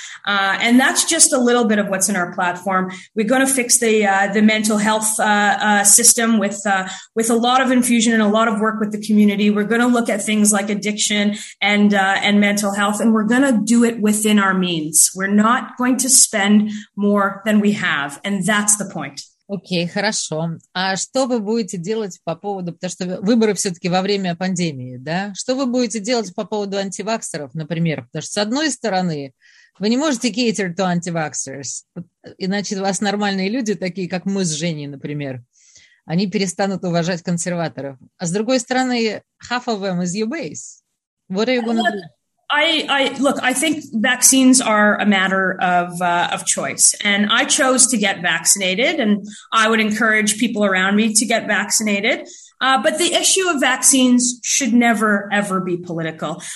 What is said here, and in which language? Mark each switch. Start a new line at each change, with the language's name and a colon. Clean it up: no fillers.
English: And that's just a little bit of what's in our platform. We're going to fix the mental health system with a lot of infusion and a lot of work with the community. We're going to look at things like addiction and mental health, and we're going to do it within our means. We're not going to spend more than we have, and that's the point.
Russian: Окей, хорошо. А что вы будете делать по поводу, потому что выборы все-таки во время пандемии, да? Что вы будете делать по поводу антиваксеров, например? Потому что, с одной стороны, вы не можете
English: cater to antivaxxers,
Russian: иначе у вас нормальные люди, такие как мы с Женей, например, они перестанут уважать консерваторов. А с другой стороны,
English: half of them is your base. What are you going to do? I think vaccines are a matter of choice, and I chose to get vaccinated, and I would encourage people around me to get vaccinated. But the issue of vaccines should never, ever be political.